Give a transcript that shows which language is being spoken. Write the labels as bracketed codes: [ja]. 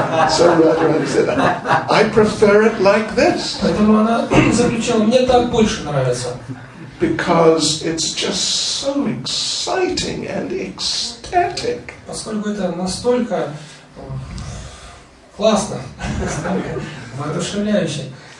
[en] So Radharani said, I prefer it like this. [ru] Поэтому она заключила, мне так больше нравится. [en] Because it's just so exciting and ecstatic. [ru] Поскольку это настолько классно, воодушевляюще.